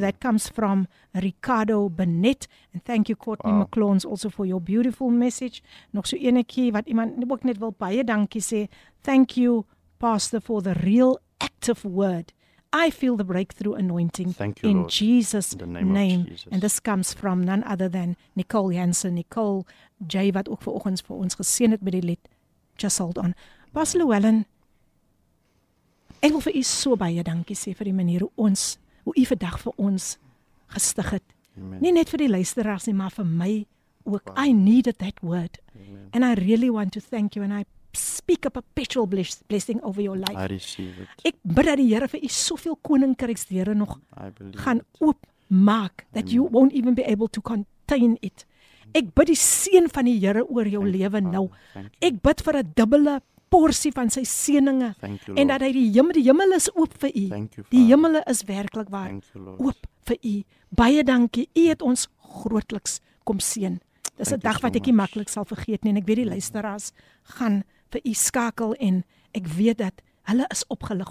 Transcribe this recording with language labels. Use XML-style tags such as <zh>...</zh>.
<en>That comes from Ricardo Bennett. And thank you, Courtney McClones, also for your beautiful message.</en> <af>Nog so enetjie wat iemand ook net wil baie dankie sê.</af> <en>Thank you, Pastor, for the real active word. I feel the breakthrough anointing in Jesus' name. And this comes from none other than Nicole Hansen.</en> <af>Nicole J, wat ook vanoggend vir ons geseën het met die lied.</af> <en>Just hold on.</en> <af>Pastor Llewellyn, ek wil vir u so baie dankie sê vir die manier hoe u vandag vir ons gestig het. Amen. Nie net vir die luisteraars nie, maar vir my ook.</af> <en>Wow. I needed that word. Amen. And I really want to thank you and I speak a perpetual blessing over your life. I receive it.</en> <af>Ek bid dat die Here vir u soveel koninkryksdeure nog gaan oopmaak that</af> <en>Amen. You won't even be able to contain it.</en> <af>Ek bid die seën van die Here oor jou lewe nou. Ek bid vir 'n dubbele porsie van sy seëninge. En dat hy die hemel is oop vir u. Die hemel is werklik waar oop vir u. Baie dankie. U het ons grootliks kom seën. Dis 'n dag wat ek nie maklik sal vergeet nie en ek weet die luisteraars gaan vir u skakel en ek weet dat hulle is opgelig.</af>